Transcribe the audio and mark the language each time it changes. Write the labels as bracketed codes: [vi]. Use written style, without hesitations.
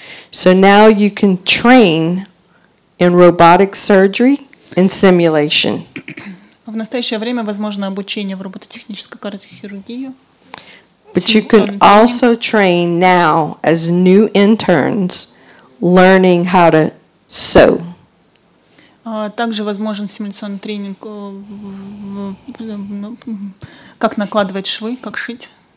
[en] So now you can train in robotic surgery and simulation. [ru] В настоящее время возможно обучение в робототехнической кардиохирургии. [en] But you can also train now as new interns learning how to sew. [ru] Также возможен симуляционный тренинг, как накладывать швы, как шить.